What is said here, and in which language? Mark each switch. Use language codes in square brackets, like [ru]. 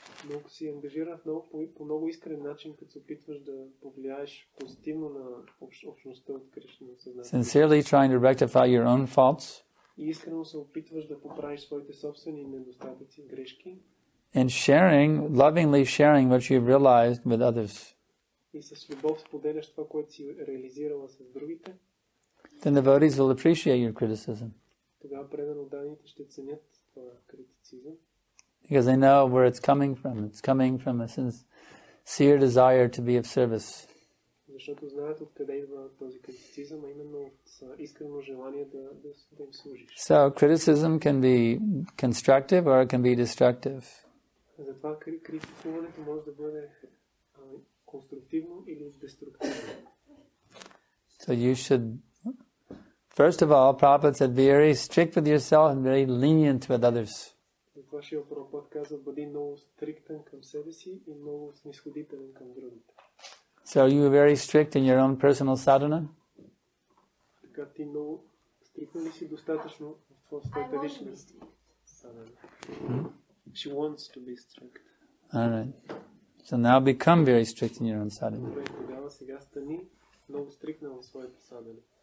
[bg] но ако си ангажираш по много искрен начин, като се опитваш да повлияеш позитивно на общността от Кришна съзнание. [en] Sincerely trying to rectify your own faults. [bg] И искрено се опитваш да поправиш своите собствени недостатъци, грешки. [en] And sharing, lovingly sharing what you've realized with others. [bg] И с любов споделяш това, което си реализирала с другите. [en] Then the devotees will appreciate your criticism. [bg] Тогава преданоотдадените ще ценят твоя критицизъм. [en] Because they know where it's coming from. It's coming from a sincere desire to be of service. [bg] Защото знаят откъде идва този критицизъм, а именно от искрено желание да им служиш. [en] So criticism can be constructive or it can be destructive. [bg] Затова критикуването може да бъде конструктивно или деструктивно. [en] So you should, first of all, Prabhupada said, be very strict with yourself and very lenient with others. [bg] Вашия Прабхупад казва, бъди много стриктен към себе си и много снисходителен към другите. [en] So are you very strict in your own personal sadhana? [bg] Така ти много стриктен ли си достатъчно в твоята лична sadhana? [en] She wants to be strict. All right. So now become very strict in your own sadhana. [bg] Тогава сега стани много стриктен в своята sadhana.